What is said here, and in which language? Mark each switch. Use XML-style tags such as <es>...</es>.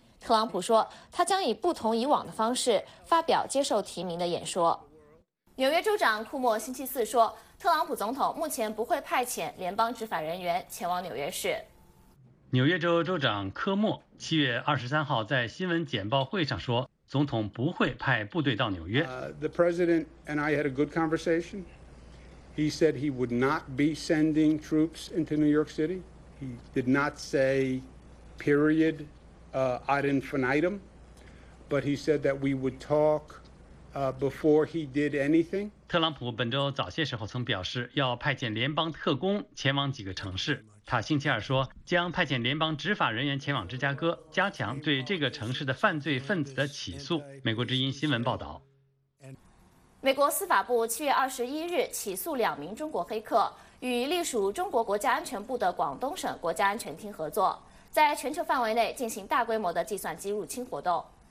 <zh>特朗普说，他将以不同以往的方式发表接受提名的演说。纽约州长库莫星期四说，特朗普总统目前不会派遣联邦执法人员前往纽约市。纽约州州长科莫7月23号在新闻简报会上说，总统不会派部队到纽约。</zh> <en>The president and I had a good conversation. He said he would not be sending troops into New York City. He did not say, period, ad infinitum, but he said that we would talk before he did anything.</en> <zh>特朗普本周早些时候曾表示要派遣联邦特工前往几个城市。他星期二说，将派遣联邦执法人员前往芝加哥，加强对这个城市的犯罪分子的起诉。美国之音新闻报道。美国司法部7月21日起诉两名中国黑客，与隶属中国国家安全部的广东省国家安全厅合作，在全球范围内进行大规模的计算机入侵活动。</zh>